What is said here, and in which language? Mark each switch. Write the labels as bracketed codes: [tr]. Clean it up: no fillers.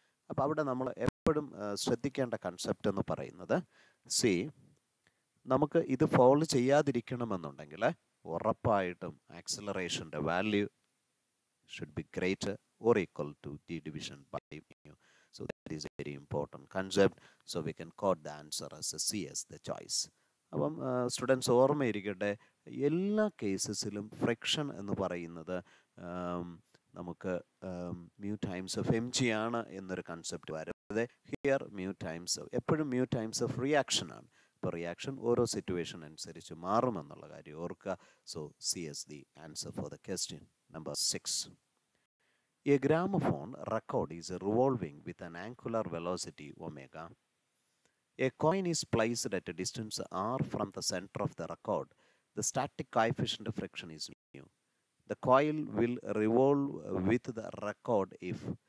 [ml] അപ്പോൾ അവിടെ നമ്മൾ എപ്പോഴും ശ്രദ്ധിക്കേണ്ട കൺസെപ്റ്റ് എന്ന് പറയുന്നത് സി, നമുക്ക് ഇത് ഫോളോ ചെയ്യാതിരിക്കണമെന്നുണ്ടെങ്കിൽ ഉറപ്പായിട്ടും ആക്സിലറേഷൻ്റെ value [en] Should be greater or equal to g division by mu. So that is a very important concept. So we can quote the answer as a C as the choice. [ml] അപ്പം students ഓർമ്മ ഇരിക്കട്ടെ, എല്ലാ കേസസിലും friction എന്ന് പറയുന്നത് നമുക്ക് mu times of M G ആണ് എന്നൊരു concept വരുന്നത്. [en] here mu times of [ml] എപ്പോഴും മ്യൂ ടൈംസ് ഓഫ് റിയാക്ഷൻ ആണ്. അപ്പോൾ റിയാക്ഷൻ ഓരോ സിറ്റുവേഷൻ അനുസരിച്ച് മാറുമെന്നുള്ള കാര്യം ഓർക്കുക. [en] So C is the answer for the question number 6. A gramophone record is revolving with an angular velocity omega. A coin is placed at a distance r from the center of the record. The static coefficient of friction is mu. The coil will revolve with the record if.